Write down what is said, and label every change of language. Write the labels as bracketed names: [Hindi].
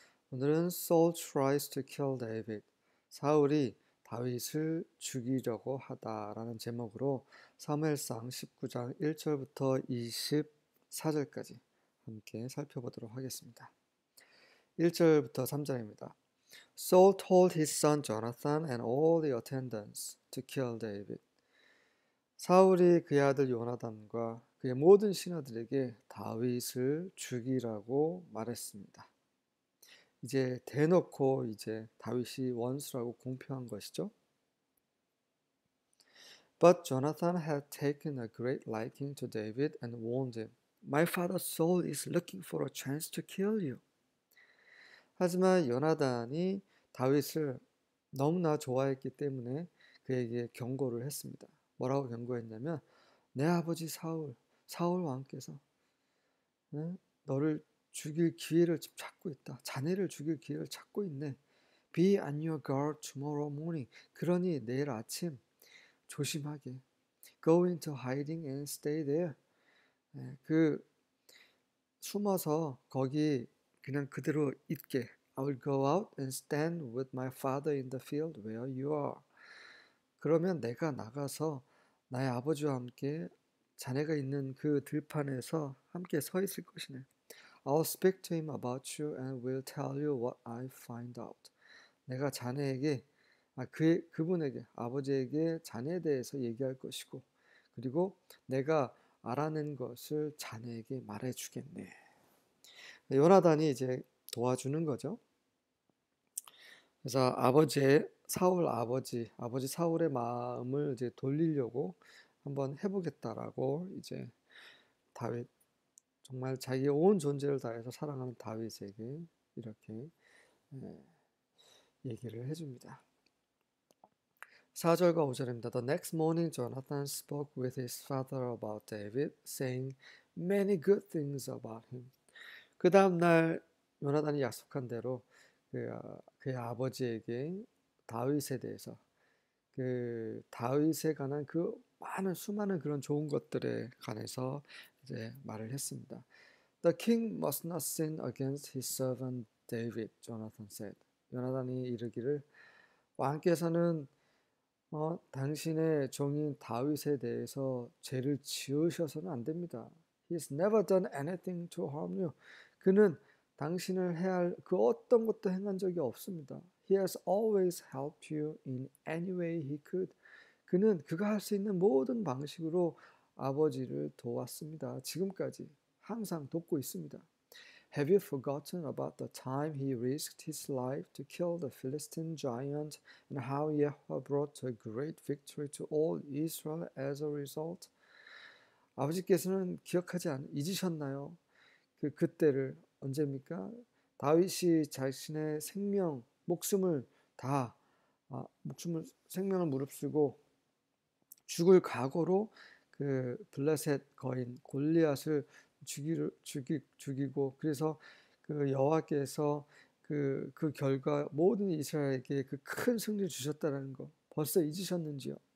[Korean] 오늘은 [English] Saul tries to kill David. [Korean] 사울이 다윗을 죽이려고 하다라는 제목으로 사무엘상 19장 1절부터 24절까지 함께 살펴보도록 하겠습니다. 1절부터 3절입니다. [English] Saul told his son Jonathan and all the attendants to kill David. [Korean] 사울이 그의 아들 요나단과 그의 모든 신하들에게 다윗을 죽이라고 말했습니다. 이제 대놓고 이제 다윗이 원수라고 공표한 것이죠. [English] But Jonathan had taken a great liking to David and warned him, My father Saul is looking for a chance to kill you. [Korean] 하지만 요나단이 다윗을 너무나 좋아했기 때문에 그에게 경고를 했습니다. 뭐라고 경고했냐면 내 아버지 사울 왕께서 너를 죽일 기회를 지금 찾고 있다. 자네를 죽일 기회를 찾고 있네. [English] Be on your guard tomorrow morning. [Korean] 그러니 내일 아침 조심하게. [English] Go into hiding and stay there. [Korean] 그 숨어서 거기 그냥 그대로 있게. [English] I will go out and stand with my father in the field where you are. [Korean] 그러면 내가 나가서 나의 아버지와 함께 자네가 있는 그 들판에서 함께 서 있을 것이네. [English] I'll speak to him about you and will tell you what I find out. [Korean] 내가 자네에게 그분에게 아버지에게 자네에 대해서 얘기할 것이고 그리고 내가 알아낸 것을 자네에게 말해주겠네. 요나단이 이제 도와주는 거죠. 그래서 아버지 사울의 마음을 이제 돌리려고 한번 해보겠다라고 이제 다윗 정말 자기의 온 존재를 다해서 사랑하는 다윗에게 이렇게 얘기를 해줍니다. 4절과 5절입니다. [English] The next morning, Jonathan spoke with his father about David, saying many good things about him. [Korean] 그 다음 날 요나단이 약속한 대로 그의 아버지에게 다윗에 대해서 그 다윗에 관한 그 수많은 그런 좋은 것들에 관해서 이제 말을 했습니다. [English] The king must not sin against his servant David, Jonathan said. [Korean] 요나단이 이르기를 왕께서는 당신의 종인 다윗에 대해서 죄를 지으셔서는 안 됩니다. [English] He has never done anything to harm you. [Korean] 그는 당신을 해할 그 어떤 것도 행한 적이 없습니다. [English] He has always helped you in any way he could. [Korean] 그는 그가 할수 있는 모든 방식으로 아버지를 도왔습니다. 지금까지 항상 돕고 있습니다. [English] Have you forgotten about the time he risked his life to kill the Philistine giant and how Yahweh brought a great victory to all Israel as a result? [Korean] 아버지께서는 잊으셨나요? 그때를 언제입니까? 다윗이 자신의 생명, 생명을 무릅쓰고 죽을 각오로 그 블레셋 거인 골리앗을 죽이고 그래서 그 여호와께서 그 결과 모든 이스라엘에게 그큰 승리를 주셨다는 거 벌써 잊으셨는지요?